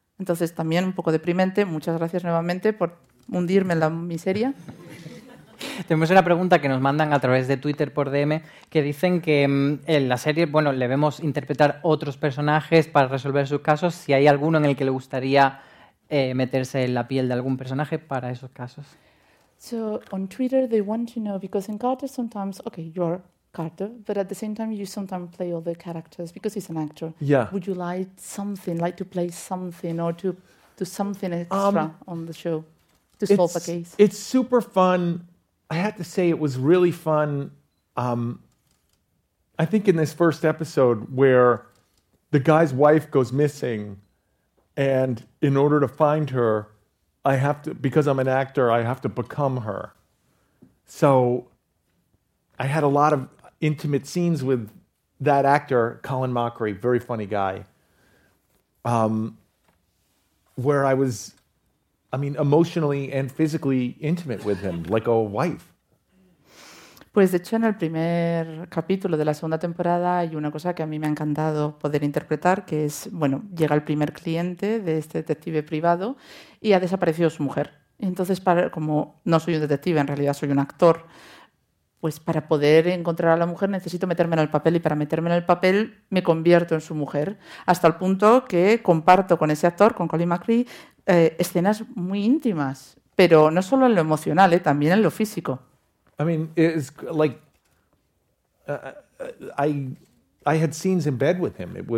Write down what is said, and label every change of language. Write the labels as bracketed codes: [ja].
[es] Entonces, también un poco deprimente. Muchas gracias nuevamente por hundirme en la miseria. Tenemos una pregunta que nos mandan a través de Twitter por DM, que dicen que en la serie, bueno, le vemos interpretar otros personajes para resolver sus casos. Si hay alguno en el que le gustaría meterse en la piel de algún personaje para esos casos. [en] So on Twitter they want to know, because in Carter sometimes, okay, you're Carter, but at the same time you sometimes play other characters because he's an actor. Yeah. Would you like to play something or to do something extra on the show to solve a case? It's super fun. I have to say it was really fun. I think in this first episode where the guy's wife goes missing, and in order to find her, I have to, because I'm an actor, I have to become her. So I had a lot of intimate scenes with that actor, Colin Mochrie, very funny guy, where I was, I mean, emotionally and physically intimate with him, like a wife. [es] Pues de hecho, en el primer capítulo de la segunda temporada hay una cosa que a mí me ha encantado poder interpretar, que es, bueno, llega el primer cliente de este detective privado y ha desaparecido su mujer. Entonces, como no soy un detective, en realidad soy un actor, pues para poder encontrar a la mujer necesito meterme en el papel, y para meterme en el papel me convierto en su mujer, hasta el punto que comparto con ese actor, con Colin Mochrie, escenas muy íntimas, pero no solo en lo emocional, también en lo físico. [en] I mean, it's like I had scenes in bed with him.